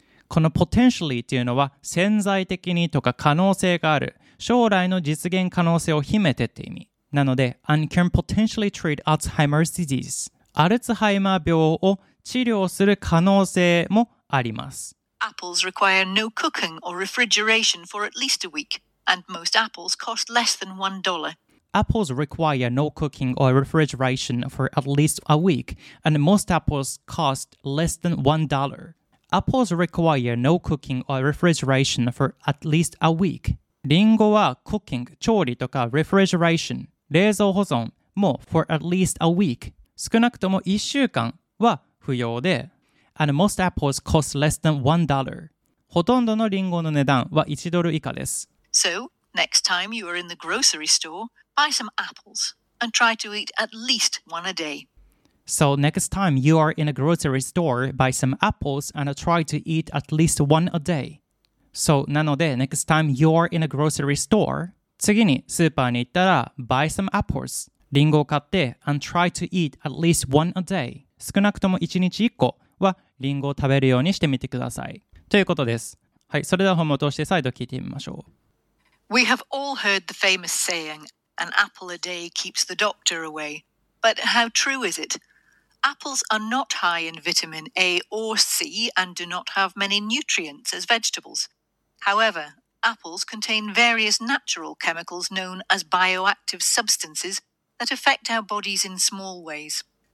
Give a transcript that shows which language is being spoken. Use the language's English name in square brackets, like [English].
[Japanese] この potentially というのは潜在的にとか可能性がある将来の実現可能性を秘めてって意味なので [English] and can potentially treat Alzheimer's disease。 [Japanese] アルツハイマー病を治療する可能性もあります。 [English] Apples require no cooking or refrigeration for at least a week, and most apples cost less than $1. Apples require no cooking or refrigeration for at least a week, and most apples cost less than $1. Apples require no cooking or refrigeration for at least a week. [Japanese] リンゴは [English] cooking, [Japanese] 調理とか [English] refrigeration, [Japanese] 冷蔵保存も [English] for at least a week, [Japanese] 少なくとも1週間は不要で、 [English] And most apples cost less than $1. [Japanese] ほとんどのリンゴの値段は1ドル以下です。 [English] So, next time you are in the grocery store, buy some apples and try to eat at least one a day. So, next time you are in a grocery store, buy some apples and try to eat at least one a day. So, [Japanese] なので、 [English] next time you are in a grocery store, [Japanese] 次にスーパーに行ったら、 [English] buy some apples, [Japanese] リンゴを買って [English] and try to eat at least one a day. [Japanese] 少なくとも1日1個。はリンゴを食べるようにしてみてくださいということです。はい、それでは本を通して再度聞いてみましょう。 [English] We have all heard the famous saying, "An apple a day keeps the doctor away." But how true is it? Apples are not high in vitamin A or C and do not have many nutrients as vegetables. However, apples contain various natural chemicals known as bioactive substances that affect our bodies in small ways.